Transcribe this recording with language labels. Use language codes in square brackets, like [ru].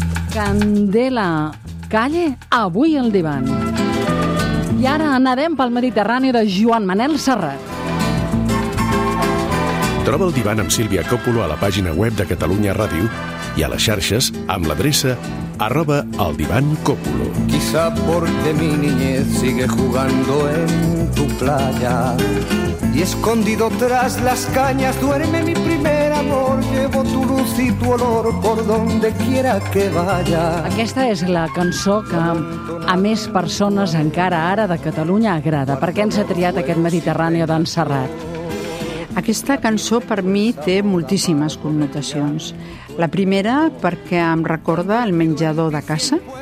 [ca] Candela Calle, avui al divan. I ara anarem pel Mediterrani de Joan Manel Serrat. Troba el divan amb Sílvia Còpolo a la pàgina web de Catalunya Ràdio i a les xarxes amb l'adreça @eldivancopolo. [es] Quizá porque mi niñez sigue jugando en tu playa y escondido tras las cañas duerme mi primer amor. Llevo tu luz y tu olor por donde quiera que vaya. [ca] Aquesta és la cançó que a més persones encara ara de Catalunya agrada. Per què ens ha triat aquest Mediterrani d'en Serrat? Aquesta cançó per mi té moltíssimes connotacions. La primera, perquè em recorda el menjador de casa.